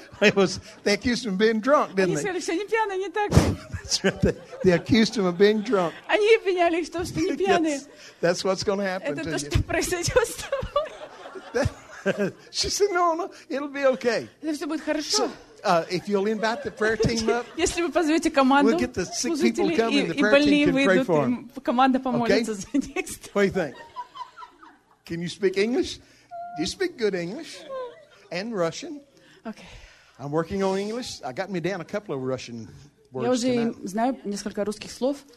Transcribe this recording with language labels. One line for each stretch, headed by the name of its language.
English: It was, they accused him of being drunk, didn't they?
Russian: Они сказали, что они пьяные, не так.
English: That's right. They accused him of being drunk.
Russian: Они обвиняли, что они пьяные.
English: That's what's going to happen to you.
Russian: Это то, что произойдет с тобой.
English: She said, no, it'll be okay.
Russian: Это все будет хорошо.
English: So, if you'll invite the prayer team up,
Russian: если вы позовете команду,
English: we'll get the sick people coming, the prayer team can pray for them.
Russian: Команда помолится за них.
English: What do you think? Can you speak English? Do you speak good English and Russian? Okay. I'm working on English. I got me down a couple of Russian words
Russian: Я уже
English: tonight.
Russian: Знаю несколько русских слов.